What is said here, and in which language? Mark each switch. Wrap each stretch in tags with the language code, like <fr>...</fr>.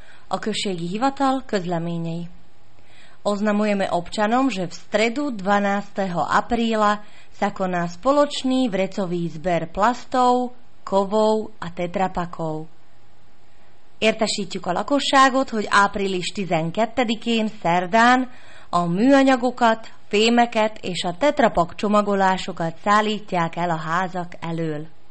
<hu>Okršiek Hivatal, Közleményei.</hu> <sk>Oznamujeme občanom, že v stredu 12. apríla sa koná spoločný vrecový zber plastov, kovov a tetrapakov.</sk> <hu>Értesítjük a lakosságot, hogy április 12-én szerdán a műanyagokat, fémeket és a tetrapak csomagolásokat szállítják el a házak elől.</hu>